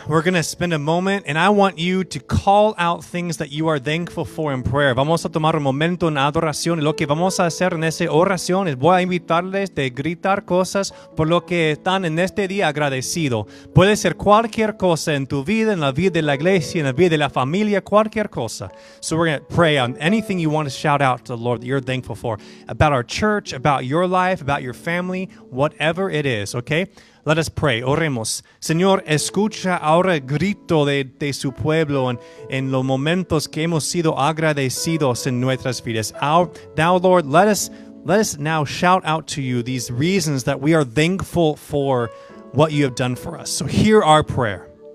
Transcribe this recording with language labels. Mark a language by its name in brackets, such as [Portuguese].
[English] We're going to spend a moment, and I want you to call out things that you are thankful for in prayer. [Spanish] Vamos a tomar un momento en adoración. Y lo que vamos a hacer en esa oración es voy a invitarles de gritar cosas por lo que están en este día agradecido. Puede ser cualquier cosa en tu vida, en la vida de la iglesia, en la vida de la familia, cualquier cosa. [English] So we're going to pray on anything you want to shout out to the Lord that you're thankful for. About our church, about your life, about your family, whatever it is, okay? Let us pray. [Spanish] Oremos. Señor, escucha ahora el grito de su pueblo en los momentos que hemos sido agradecidos en nuestras vidas. [English] Now, Lord, let us now shout out to you these reasons that we are thankful for what you have done for us. So hear our prayer.